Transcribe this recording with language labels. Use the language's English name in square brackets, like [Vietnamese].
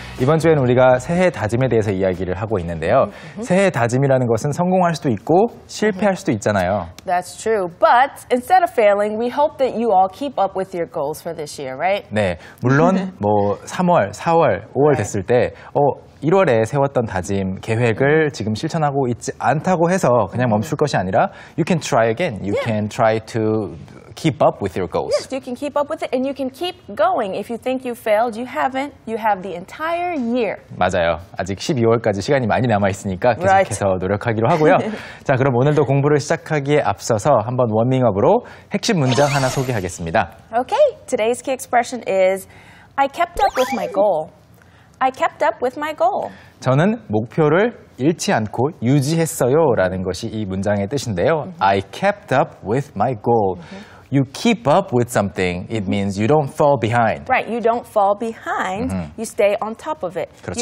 [Korean] 이번 주에는 우리가 새해 다짐에 대해서 이야기를 하고 있는데요. Mm-hmm. 새해 다짐이라는 것은 성공할 수도 있고 실패할 수도 있잖아요. [English] That's true. But instead of failing, we hope that you all keep up with your goals for this year, right? [Korean] 네. 물론 뭐 3월, 4월, 5월 right. 됐을 때 1월에 세웠던 다짐 계획을 지금 실천하고 있지 않다고 해서 그냥 멈출 것이 아니라 [English] you can try again. You yeah. can try to keep up with your goals. Yes, you can keep up with it and you can keep going. If you think you failed, you haven't. You have the entire year. [Korean] 맞아요. 아직 12월까지 시간이 많이 남아 있으니까 계속해서 [English] right. [Korean] 노력하기로 하고요. 자, 그럼 오늘도 공부를 시작하기에 앞서서 한번 워밍업으로 핵심 문장 하나 소개하겠습니다. [English] Okay. Today's key expression is I kept up with my goal. I kept up with my goal. [Korean] 저는 목표를 잃지 않고 유지했어요 라는 것이 이 문장의 뜻인데요. [English] Mm-hmm. I kept up with my goal. Mm-hmm. You keep up with something. It means you don't fall behind. Right. You don't fall behind. Mm-hmm. You stay on top of it. [Korean] 그렇죠.